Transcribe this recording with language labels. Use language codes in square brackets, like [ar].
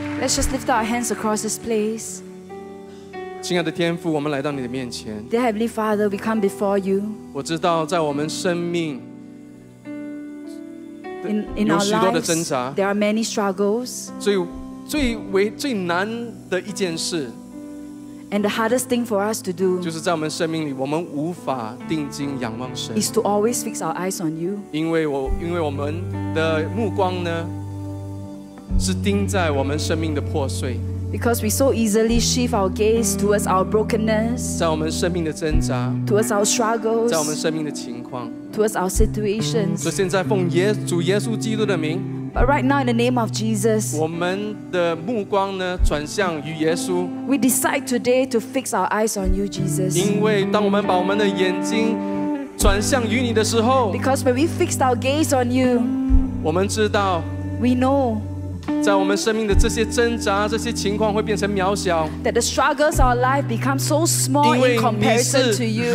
[en] Let's just lift our hands across this place。 [zh] 亲爱的天父，我们来到你的面前。 [en] Dear Heavenly Father, we come before you。 [zh] 我知道，在我们生命 [en] in our [zh] 有许多的挣扎。 [en] There are many struggles。 [zh] 最难的一件事。 [en] And the hardest thing for us to do。 [zh] 就是在我们生命里，我们无法定睛仰望神。 [en] Is to always fix our eyes on you。 [zh] 因为我们的目光呢？是钉在我们生命的破碎。 [en] Because we so easily shift our gaze towards our brokenness， [zh] 在我们生命的挣扎 [en] ，towards our struggles， [zh] 在我们生命的情况 [en] ，towards our situations。 [zh] 所以现在奉主耶稣基督的名 [en] ，But right now in the name of Jesus， [zh] 我们的目光呢转向于耶稣。 [en] We decide today to fix our eyes on you, Jesus。 [zh] 因为当我们把我们的眼睛转向于你的时候 [en] ，Because when we fix our gaze on you， [zh] 我们知道 [en] ，We know。 [zh] 在我们生命的这些挣扎这些情况会变成渺小 [en] that the struggles of life become so small in comparison to you，